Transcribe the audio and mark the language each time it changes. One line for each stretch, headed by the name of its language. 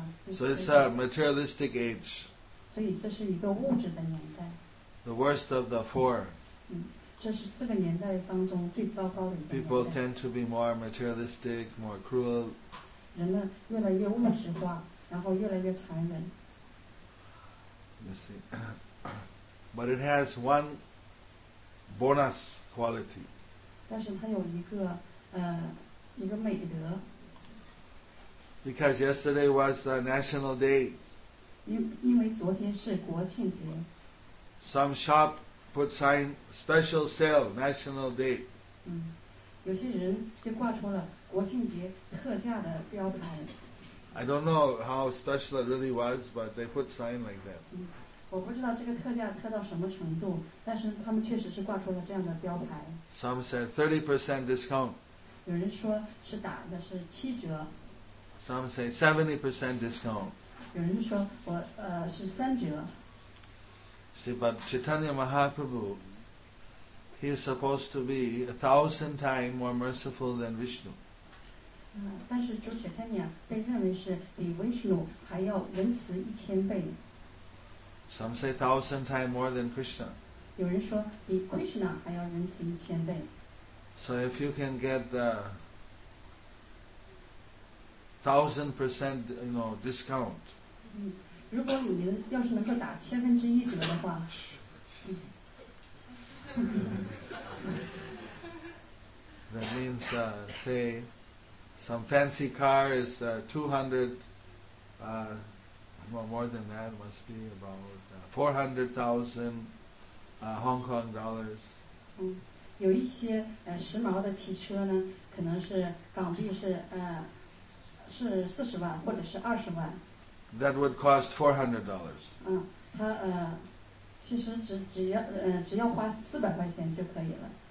English: So it's a materialistic age. So this is a
Chinese: 物质的年代.
English: The worst of the four.
Chinese: 这是四个年代当中最糟糕的一个年代.
English: People tend to be more materialistic, more cruel.
Chinese: 人们越来越物质化，然后越来越残忍.
English: You see, but it has one bonus. Quality.
Chinese: 但是它有一个美德。
English: Because yesterday was the national day.
Chinese: 因为昨天是国庆节。
English: Some shop put sign special sale national day.
Chinese: 有些人就挂出了国庆节特价的标牌。
English: I don't know how special it really was, but they put sign like that.
Chinese: 我不知道这个特价特到什么程度，但是他们确实是挂出了这样的标牌。
English: Some said 30% discount.
Chinese: 有人说是打的是七折。
English: Some say 70% discount.
Chinese: 有人说我是三折。
English: See, but Chaitanya Mahaprabhu, he is supposed to be 1,000 times more merciful than Vishnu.
Chinese: 但是主 Chaitanya 被认为是比 Vishnu 还要仁慈1000倍。
English: Some say 1,000 times more than Krishna.
Chinese: 有人说比 Krishna 还要仁慈一千倍。
English: So if you can get the 1,000% you know, discount.
Chinese: 如果你们要是能够打千分之一折的话。
English: That means, say, some fancy car is 200, well, more than that, must be about 400,000 Hong Kong dollars.
Chinese: 有一些时髦的汽车呢，可能是港币是是40万或者是20万。
English: That would cost $400.
Chinese: 它其实只要花400块钱就可以了。